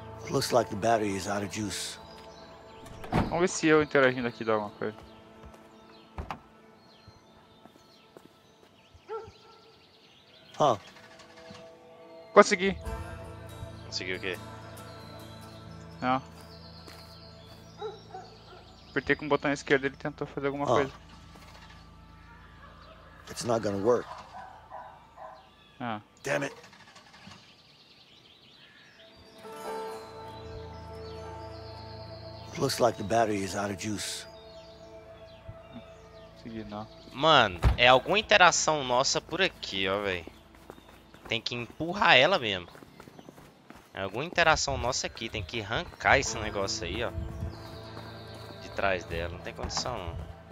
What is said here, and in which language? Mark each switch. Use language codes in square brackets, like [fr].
[en] Looks like the battery is out of juice. [pt] Vamos ver se eu interagindo aqui dá alguma coisa. Huh. Consegui! Consegui o quê? Não. Apertei com o botão esquerdo, ele tentou fazer alguma coisa. [en] It's not gonna work. Ah. Damn it. Looks like the battery is out of juice. [pt] Mano, é alguma interação nossa por aqui, ó, velho. Tem que empurrar ela mesmo. É alguma interação nossa aqui, tem que arrancar esse negócio aí, ó. De trás dela, não tem condição. Não.